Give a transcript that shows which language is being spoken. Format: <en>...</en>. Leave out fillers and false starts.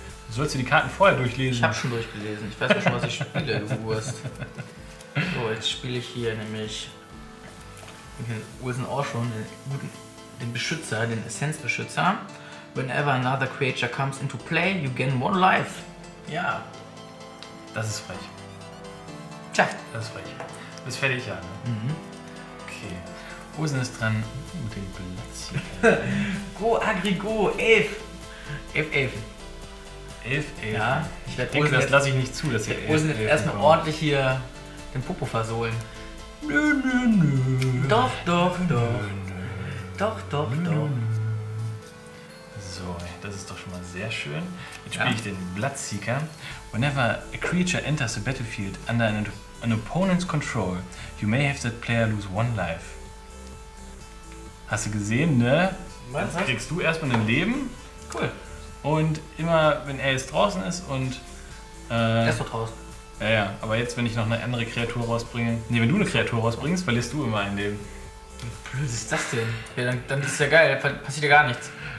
<de>Sollst du die Karten vorher durchlesen? Ich habe schon durchgelesen. Ich weiß ja schon, was ich spiele, du Wurst. So, jetzt spiele ich hier nämlich den Wilson auch schon, den Beschützer, den Essenzbeschützer.</de> <en>Whenever another creature comes into play, you gain one life.</en> <de>Ja. Das ist frech. Tja. Das ist frech. Das fertig, ja. Ne? Mhm. Okay. Osen ist dran. Den Blitz hier. Go, Agrigo, 11. 11. 11, 11. Ja, ich werde denken, das lasse ich nicht zu, dass ihr Osen jetzt erstmal ordentlich hier den Popo versohlen. Nö, nö, nö. Doch, doch, doch. Doch, doch, doch. So, das ist doch schon mal sehr schön. Jetzt spiele ich den Bloodseeker.</de> <en>Whenever a creature enters the battlefield under an opponent's control, you may have that player lose one life.</en> <de>Hast du gesehen, ne? Meinst du? Kriegst du erstmal ein Leben. Cool. Und immer, wenn er jetzt draußen ist und... Er ist doch draußen. Ja, ja. Aber jetzt, wenn ich noch eine andere Kreatur rausbringe... Ne, wenn du eine Kreatur rausbringst, verlierst du immer ein Leben. Wie blöd ist das denn? Ja, dann ist es ja geil, dann passiert ja gar nichts.</de>